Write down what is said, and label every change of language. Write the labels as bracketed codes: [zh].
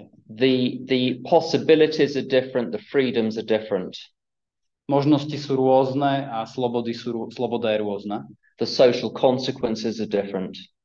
[en] The possibilities are different, the freedoms are different. [sk] Možnosti sú rôzne a sloboda je rôzna. [en] The social consequences are different.